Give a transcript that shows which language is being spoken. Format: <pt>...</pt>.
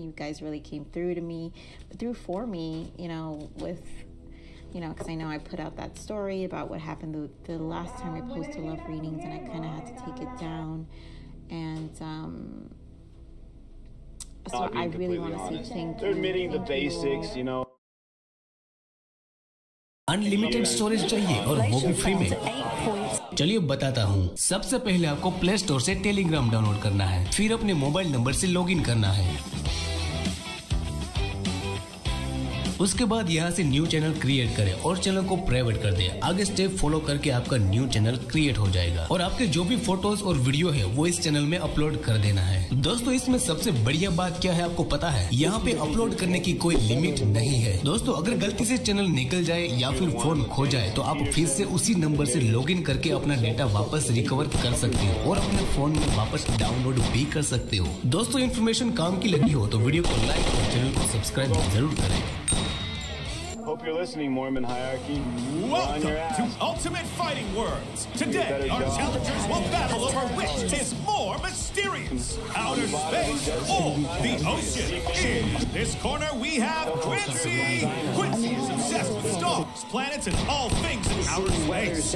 <en>You guys really came through to me, through for me, you know, with... You know, because I know I put out that story about what happened the last time I posted love readings, and I kind of had to take it down. And so I really want to say thank you. They're admitting the basics, you know.</en> <hi>Unlimited storage चाहिए और वो भी free में चलिए बताता हूँ सबसे पहले आपको प्ले स्टोर से टेलीग्राम डाउनलोड करना है फिर अपने मोबाइल नंबर से लॉगिन करना है उसके बाद यहाँ से न्यू चैनल क्रिएट करें और चैनल को प्राइवेट कर दें। आगे स्टेप फॉलो करके आपका न्यू चैनल क्रिएट हो जाएगा और आपके जो भी फोटोज और वीडियो है वो इस चैनल में अपलोड कर देना है दोस्तों इसमें सबसे बढ़िया बात क्या है आपको पता है यहाँ पे अपलोड करने की कोई लिमिट नहीं है दोस्तों अगर गलती से चैनल निकल जाए या फिर फोन खो जाए तो आप फिर से उसी नंबर से लॉगिन करके अपना डेटा वापस रिकवर कर सकते हो और अपने फोन में वापस डाउनलोड भी कर सकते हो दोस्तों इन्फॉर्मेशन काम की लगी हो तो वीडियो को लाइक और चैनल को सब्सक्राइब जरूर करें</hi> <en>Hope you're listening, Mormon Hierarchy. Welcome to Ultimate Fighting Words. Today, our challengers will battle over which is more mysterious, outer space or the ocean. In this corner, we have Quincy. Quincy is obsessed with stars, planets, and all things in outer space.</en>